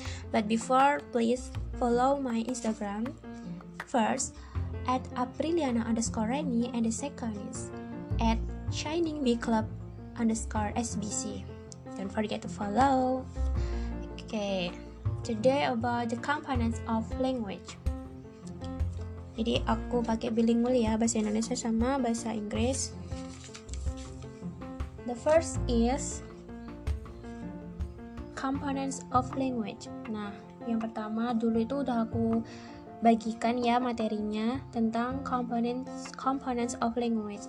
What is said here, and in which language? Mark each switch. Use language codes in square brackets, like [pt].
[en] But before, please follow my Instagram. First, at Apriliana_Reni, and the second is at ShiningBClub_SBC. Don't forget to follow. Okay. Today about the components of language. [id] Jadi aku pakai bilingual ya, bahasa Indonesia sama bahasa Inggris. [en] The first is components of language. [id] Nah, yang pertama dulu itu udah aku bagikan ya materinya tentang components of language.